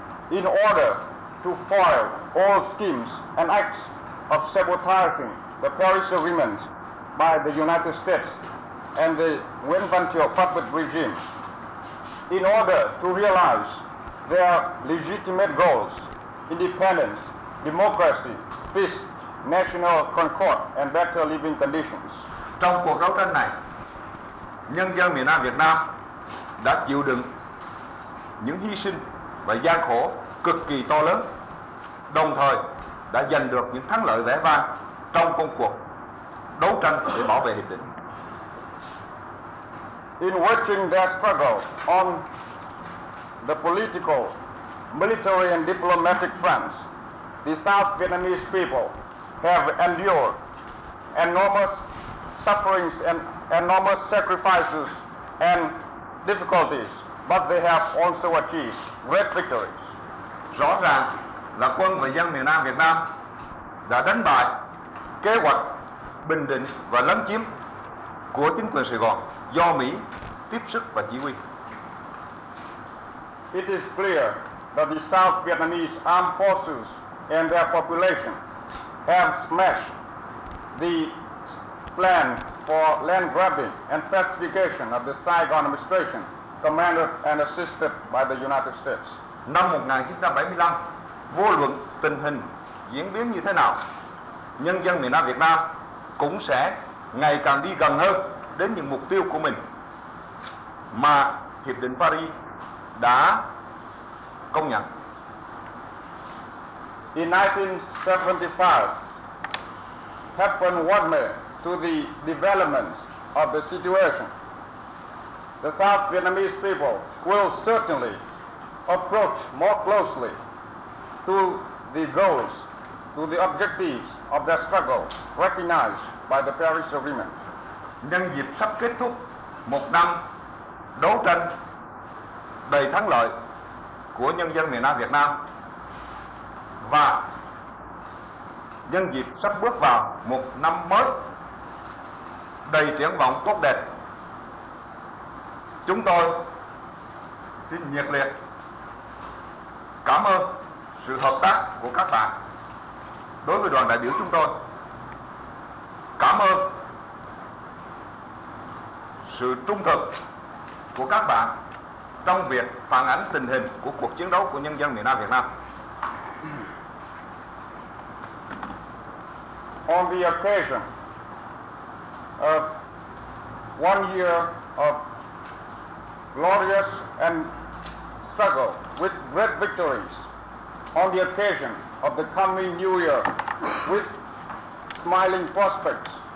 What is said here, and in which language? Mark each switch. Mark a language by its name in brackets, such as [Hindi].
[English] in order to foil all schemes and acts of sabotaging the Paris Agreement by the United States and the Nguyễn Văn Thiệu puppet regime, in order to realize their legitimate goals, independence, democracy, peace, national concord, and better living conditions. [Vietnamese] Trong cuộc đấu tranh này, nhân dân miền Nam Việt Nam đã chịu đựng những hy sinh và gian khổ cực kỳ to lớn, đồng thời đã giành được những thắng lợi vẻ vang trong công cuộc đấu tranh để bảo vệ hiệp định. [English] In watching their struggle on the political, military and diplomatic fronts, the South Vietnamese people have endured enormous sufferings and enormous sacrifices and difficulties, but they have also achieved great victories. [Vietnamese] Rõ ràng là quân và dân miền Nam Việt Nam đã đánh bại kế hoạch bình định và lấn chiếm của chính quyền Sài Gòn do Mỹ tiếp sức và chỉ huy. [English] It is clear that the South Vietnamese armed forces and their population have smashed the plan for land grabbing and pacification of the Saigon administration, commanded and assisted by the United States. [Vietnamese] Năm 1975, vô luận tình hình diễn biến như thế nào, nhân dân miền Nam Việt Nam cũng sẽ ngày càng đi gần hơn đến những mục tiêu của mình mà Hiệp định Paris đã công nhận. [English] In 1975, happened one way to the development of the situation. The South Vietnamese people will certainly approach more closely to the goals, to the objectives of the struggle recognized by the Paris Agreement. [Vietnamese] Nhân dịp sắp kết thúc một năm đấu tranh đầy thắng lợi của nhân dân miền Nam Việt Nam và nhân dịp sắp bước vào một năm mới đầy triển vọng tốt đẹp, chúng tôi xin nhiệt liệt cảm ơn sự hợp tác của các bạn đối với đoàn đại biểu chúng tôi. Cảm ơn sự trung thực của các bạn trong việc phản ánh tình hình của cuộc chiến đấu của nhân dân miền Nam Việt Nam. [English] On the occasion of one year of glorious and struggle with great victories, on the occasion of the coming new year with smiling prospects,